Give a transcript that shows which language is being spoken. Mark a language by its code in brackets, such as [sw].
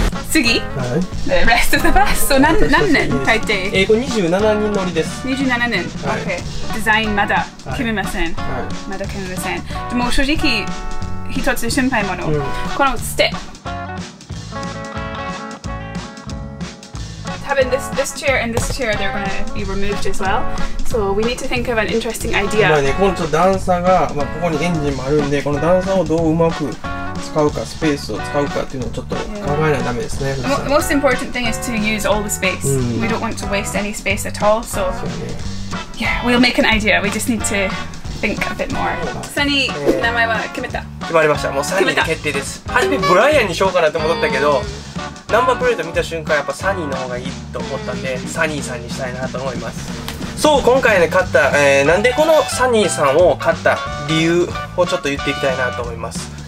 [ja] 次？はい。 [en] The rest of the bus. So [ja] 何年大抵？英語27人乗りです。 27年。はい、OK。デザインまだ決めません。はい、まだ決めません。でも正直、一つ心配もの。うん、このステップ。 [en] Having this chair and this chair, they're going to be removed as well. So we need to think of an interesting idea. [ja] まあね、この段差が、まあ、ここにエンジンもあるんで、この段差をどううまく使うか、スペースを使うかっていうのをちょっと考えないとダメですね。 [en] Yeah. The most important thing is to use all the space. We don't want to waste any space at all. So, yeah, we'll make an idea. We just need to think a bit more. [ja] Sunny, 名前は決めた。決まりました。もうサニーで決定です。はじめブライアンにしようかなって戻ったけど、ナンバープレート見た瞬間やっぱサニーの方がいいと思ったんで、サニーさんにしたいなと思います。そう、今回ね、買った、なんでこのサニーさんを買った理由をちょっと言っていきたいなと思います。